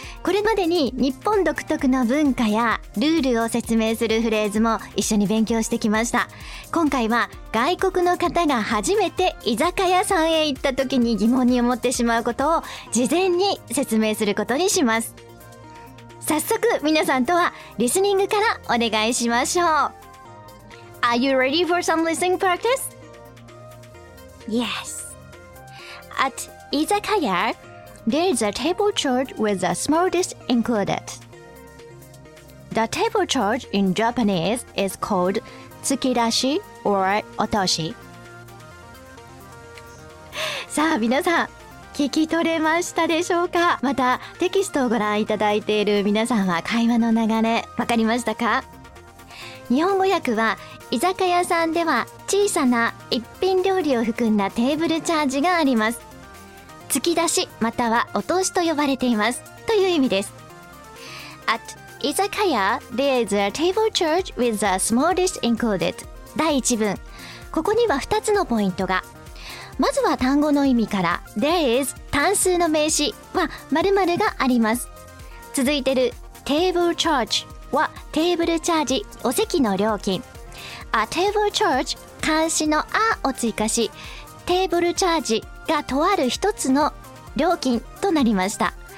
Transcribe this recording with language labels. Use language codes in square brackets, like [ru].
[ja] これまでに日本独特の文化やルールを説明するフレーズも一緒に勉強してきました。今回は外国の方が初めて居酒屋さんへ行った時に疑問に思ってしまうことを事前に説明することにします。早速皆さんとはリスニングからお願いしましょう。 [en] Are you ready for some listening practice? Yes. At 居酒屋、There's a table charge with a small dish included. The table charge in Japanese is called tsukidashi or otoshi. [ja] さあ、皆さん聞き取れましたでしょうか？またテキストをご覧いただいている皆さんは会話の流れわかりましたか？日本語訳は、居酒屋さんでは小さな一品料理を含んだテーブルチャージがあります。突き出しまたはお通しと呼ばれていますという意味です。 [en] At 居酒屋 There is a table charge with a small dish included. [ja] 第1文、ここには2つのポイントが。まずは単語の意味から。 [en] There is [ja] 単数の名詞は〇〇があります。続いてる table charge はテーブルチャージ、お席の料金。 A table charge 監視の A を追加し、テーブルチャージがとある一つの料金となりました。